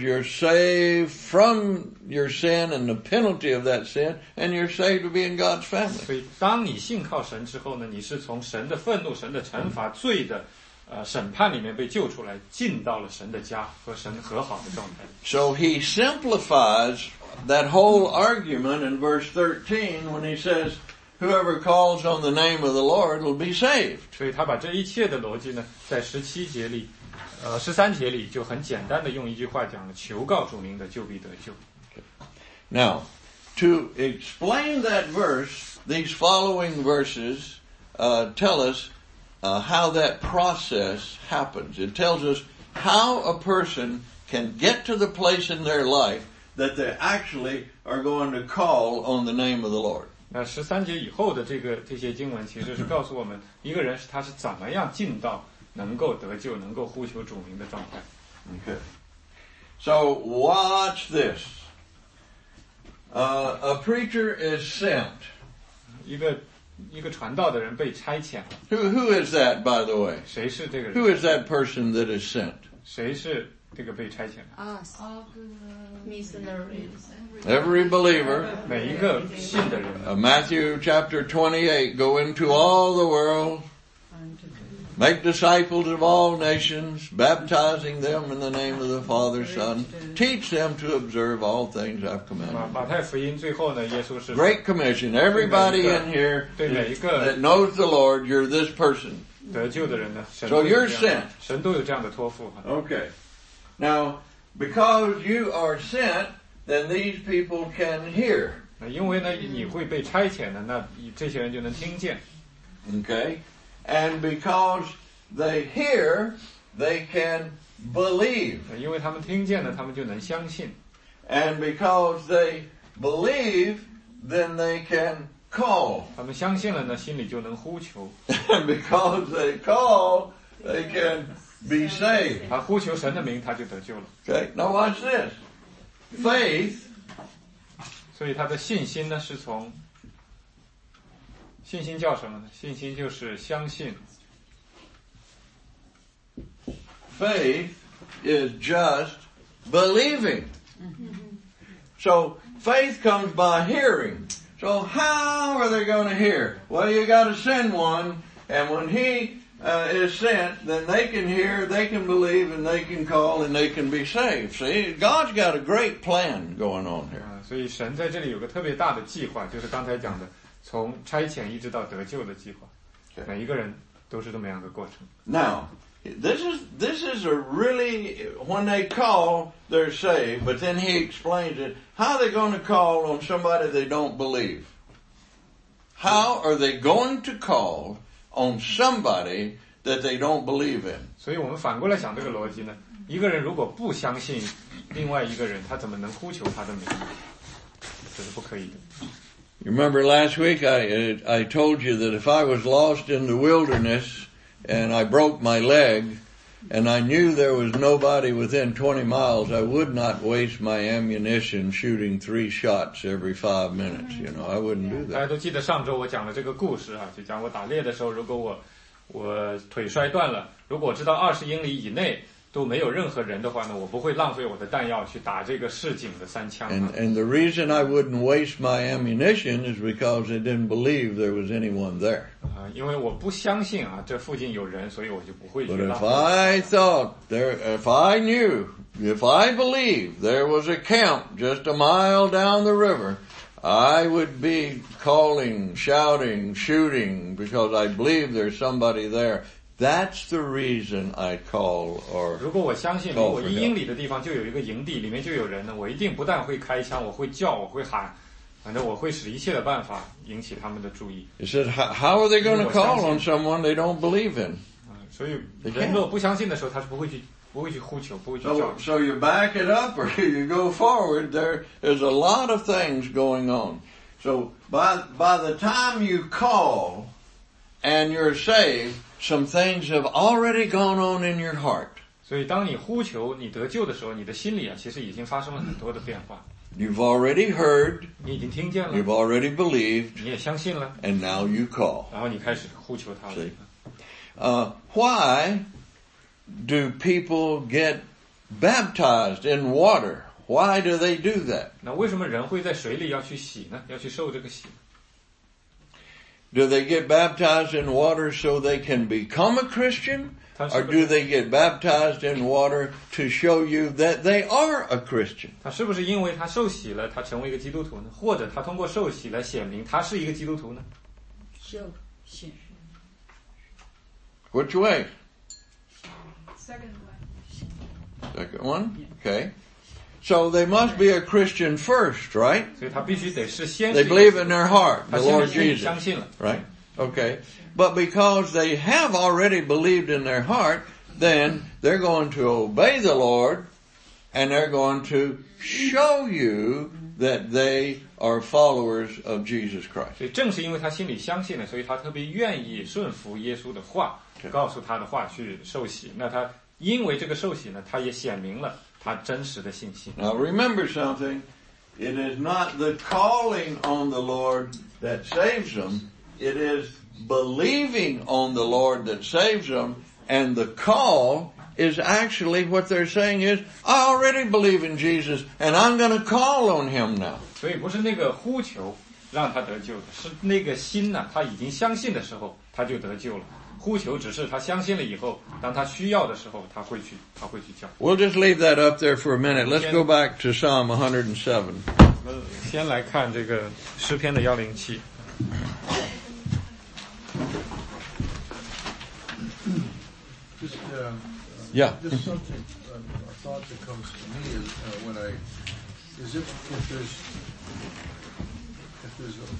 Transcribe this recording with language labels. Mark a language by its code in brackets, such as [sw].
[en] You're saved from your sin and the penalty of that sin, and you're saved to be in God's family. [zh] 所以当你信靠神之后呢，你是从神的愤怒、神的惩罚、罪的审判里面被救出来，进到了神的家和神和好的状态。 [en] So he simplifies that whole argument in verse 13 when he says, "Whoever calls on the name of the Lord will be saved." [zh] 所以他把这一切的逻辑呢，在十七节里，十三节里就很简单的用一句话讲了：求告主名的就必得救。 [en] Now, to explain that verse, these following verses tell us. How that process happens. It tells us how a person can get to the place in their life that they actually are going to call on the name of the Lord. [zh] 那十三节以后的这些经文其实是告诉我们，一个人是他是怎么样进到能够得救、能够呼求主名的状态。 [en] Okay. So watch this. A preacher is sent. [zh] 一个传道的人被差遣了。 [en] Who is that, by the way? [zh] 谁是这个人？ [en] Who is that person that is sent? [zh] 谁是这个被差遣的？ [en] Us. All the missionaries. Every believer. [zh] 每一个信的人。 [en] Matthew chapter 28, go into all the world, make disciples of all nations, baptizing them in the name of the Father, Son, teach them to observe all things I've commanded. [zh] 马太福音最后呢，耶稣是 [en] Great Commission. Everybody in here that knows the Lord, you're this person. [zh] 得救的人呢， [en] So you're sent. [zh] 神都有这样的托付。 [en] Okay. Now, because you are sent, then these people can hear. [zh] 因为呢，你会被差遣的，那这些人就能听见。 [en] Okay? And because they hear, they can believe. [zh] 因为他们听见了，他们就能相信。 [en] And because they believe, then they can call. [zh] 他们相信了呢，心里就能呼求。 [en] And because they call, they can be saved. [zh] 他呼求神的名，他就得救了。 [en] Okay, now watch this. Faith. [zh] 所以他的信心呢，是从信心叫什么呢？信心就是相信。 [en] Faith is just believing. So faith comes by hearing. So how are they going to hear? Well, you got to send one, and when he is sent, then they can hear, they can believe, and they can call, and they can be saved. See, God's got a great plan going on here. [zh] 所以神在这里有个特别大的计划，就是刚才讲的，从差遣一直到得救的计划。每一个人都是这么样的过程。 [en] Now. This is a really, when they call, they're saved, but then he explains it. How are they going to call on somebody they don't believe? How are they going to call on somebody that they don't believe in? [zh] 所以我们反过来想这个逻辑呢，一个人如果不相信另外一个人，他怎么能呼求他的名字？这是不可以的。 [en] You remember last week I told you that if I was lost in the wilderness,And I broke my leg, and I knew there was nobody within 20 miles. I would not waste my ammunition shooting 3 shots every 5 minutes. You know, I wouldn't do that. [zh] 大家都记得上周我讲了这个故事啊，就讲我打猎的时候，如果我腿摔断了，如果知道20英里以内都没有任何人的话呢，我不会浪费我的弹药去打这个市井的三枪。 [en] And the reason I wouldn't waste my ammunition is because I didn't believe there was anyone there. [zh] 因为我不相信啊，这附近有人，所以我就不会去浪费。 [en] But if I thought there, if I knew, if I believed there was a camp just a mile down the river, I would be calling, shouting, shooting because I believe there's somebody there. That's the reason I call or. [zh] 如果我相信，如果一英里的地方就有一个营地，里面就有人呢，我一定不但会开枪，我会叫，我会喊，反正我会使一切的办法引起他们的注意。 [en] He said, "How are they going to call on someone they don't believe in?" [zh] 所以人若不相信的时候，他是不会去呼求，不会去叫。 [en] So you back it up or you go forward. There is a lot of things going on. So by the time you call and you're saved. Some things have already gone on in your heart. [zh] 所以当你呼求你得救的时候，你的心里啊，其实已经发生了很多的变化。 [en] You've already heard. [zh] 你已经听见了。 [en] You've already believed. [zh] 你也相信了。 [en] And now you call. [zh] 然后你开始呼求他了。 [en] See, why do people get baptized in water? Why do they do that? [zh] 那为什么人会在水里要去洗呢？要去受这个洗？ [en] Do they get baptized in water so they can become a Christian? Or do they get baptized in water to show you that they are a Christian? [zh] 他是不是因为他受洗了他成为一个基督徒呢？或者他通过受洗来显明他是一个基督徒呢？受洗。 [en] Which way? Second one? Okay. So they must be a Christian first, right? [zh] 所以他必须得是先。 [en] They believe in their heart, the Lord Jesus. [zh] 相信了。 [en] Right? Okay. But because they have already believed in their heart, then they're going to obey the Lord, and they're going to show you that they are followers of Jesus Christ. [zh] 所以正是因为他心里相信了，所以他特别愿意顺服耶稣的话，告诉他的话去受洗。那他因为这个受洗呢，他也显明了。 [en] Now remember something, it is not the calling on the Lord that saves them, it is believing on the Lord that saves them, and the call is actually what they're saying is, I already believe in Jesus, and I'm going to call on him now. [zh] 所以不是那个呼求让他得救的，是那个心呢，他已经相信的时候，他就得救了。呼求只是他相信了以后，当他需要的时候，他会去叫。 [en] We'll just leave that up there for a minute. Let's go back to Psalm 107. [zh] 先来看这个诗篇的107。 [en] Yeah. This subject, a thought that comes to me is when I, is if there's